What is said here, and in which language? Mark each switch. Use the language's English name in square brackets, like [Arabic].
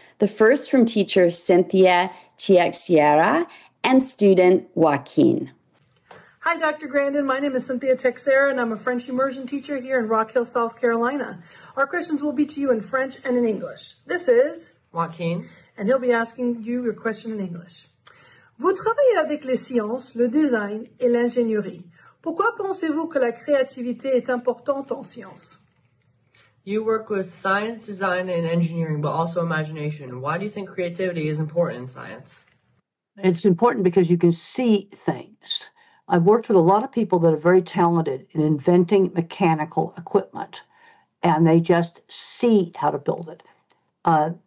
[English] The first from teacher Cynthia Teixeira and student Joaquin. Hi, Dr. Grandin. My name is Cynthia Teixeira, and I'm a French immersion teacher here in Rock Hill, South Carolina. Our questions will be to you in French and in English. This is Joaquin, and he'll be asking you your question in English. [French] Vous travaillez avec les sciences, le design et l'ingénierie. Pourquoi pensez-vous que la créativité est importante en science? [English] You work with science, design, and engineering, but also imagination. Why do you think creativity is important in science? It's important because you can see things. I've worked with a lot of people that are very talented in inventing mechanical equipment, and they just see how to build it.